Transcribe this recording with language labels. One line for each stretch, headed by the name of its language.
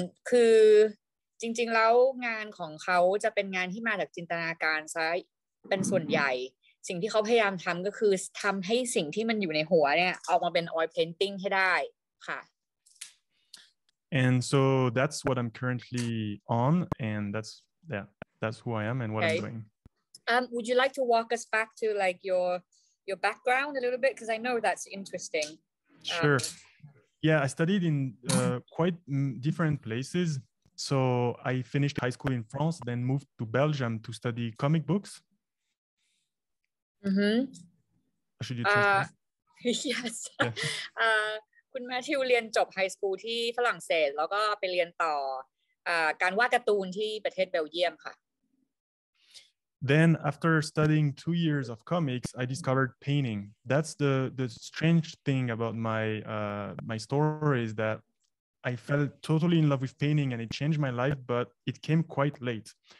Thai: คือจริงๆแล้วงานของเขาจะเป็นงานที่มาจากจินตนาการซะเป็นส่วนใหญ่สิ่งที่เขาพยายามทำก็คือทำให้สิ่งที่มันอยู่ในหัวเนี่ยออกมาเป็น oil painting ให้ได้ค่ะ
English: And so that's what I'm currently on, and that's who I am and what I'm doing. Would you like to walk us back to like your background a little bit? Because I know that's interesting. Sure. Yeah, I studied in quite different places. So I finished high school in France, then moved to Belgium to study comic books. Mm-hmm. Should you translate? Yes. Yeah.
Thai: คุณแมทธิวเรียนจบไฮสคูลที่ฝรั่งเศสแล้วก็ไปเรียนต่อการวาดการ์ตูนที่ประเทศเบลเยียมค่ะ
English: Then after studying 2 years of comics I discovered painting. That's the strange thing about my story is that I fell totally in love with painting and it changed my life but it came quite late.